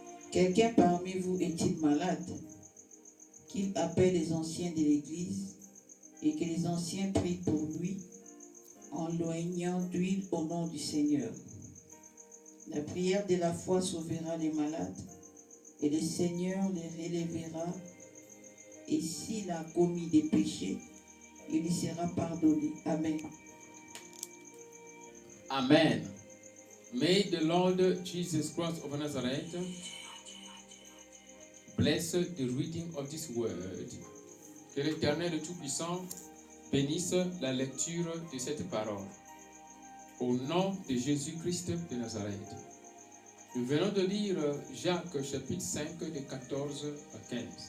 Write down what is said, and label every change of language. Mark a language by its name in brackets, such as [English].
[French] Quelqu'un parmi vous est-il malade? Qu'il appelle les anciens de l'Église et que les anciens prient pour lui en l'oignant d'huile au nom du Seigneur. La prière de la foi sauvera les malades et le Seigneur les relèvera. Et s'il a commis des péchés, il y sera pardonné. Amen. Amen. [English] May the Lord Jesus Christ of Nazareth bless the reading of this word. [French] Que l'Éternel Tout-Puissant bénisse la lecture de cette parole. Au nom de Jésus-Christ de Nazareth. Nous venons de lire Jacques chapitre 5, de 14 à 15.